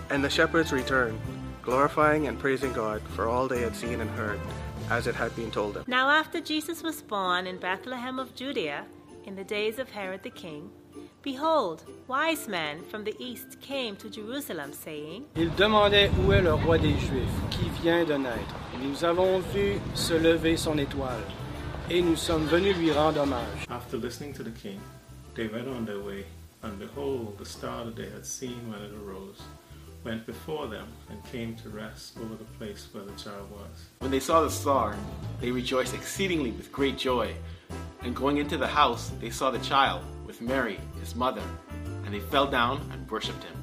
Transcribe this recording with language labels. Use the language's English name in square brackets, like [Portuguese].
[English] And the shepherds returned, glorifying and praising God for all they had seen and heard, as it had been told them. Now after Jesus was born in Bethlehem of Judea, in the days of Herod the king, behold, wise men from the east came to Jerusalem, saying, [French] Ils demandaient où est le roi des Juifs qui vient de naître. Nous avons vu se lever son étoile, et nous sommes venus lui rendre hommage. [English] After listening to the king, they went on their way, and behold, the star that they had seen when it arose went before them and came to rest over the place where the child was. When they saw the star, they rejoiced exceedingly with great joy, and going into the house, they saw the child with Mary, his mother, and they fell down and worshipped him.